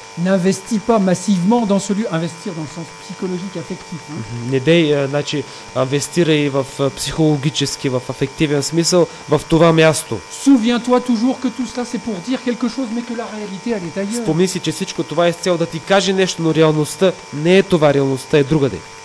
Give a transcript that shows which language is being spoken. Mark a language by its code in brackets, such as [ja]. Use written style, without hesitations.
[fr] N'investis pas massivement dans ce lieu, investir dans le sens psychologique affectif. [bg] Не дей, значи, инвестирай в психологически, в афективен смисъл, в това място. [fr] Souviens-toi toujours que tout cela c'est pour dire quelque chose, mais que la réalité elle est ailleurs. [bg] Спомни си, че всичко това е с цел да ти каже нещо, но реалността не е това, реалността е другаде.